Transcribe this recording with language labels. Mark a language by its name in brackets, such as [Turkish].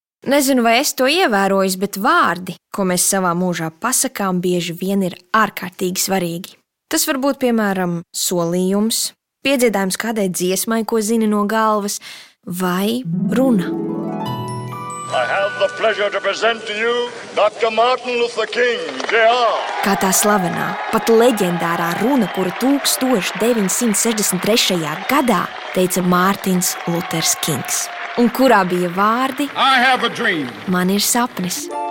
[Latvian] Nezinu, vai es to ievērojis, bet vārdi, ko mēs savā mūžā pasakām, bieži vien ir ārkārtīgi svarīgi. Tas var būt, piemēram, solījums, piedziedājums kādai dziesmai, ko zini no galvas, vai runa. [English] I have the pleasure to present to you Dr. Martin Luther King, Jr. [Latvian] Kā tā slavenā, pat leģendārā runa, kura 1963. Gadā teica Mārtins Luters Kings. Un kurā bija vārdi? [English] I have a dream. [Latvian] Man ir sapnis.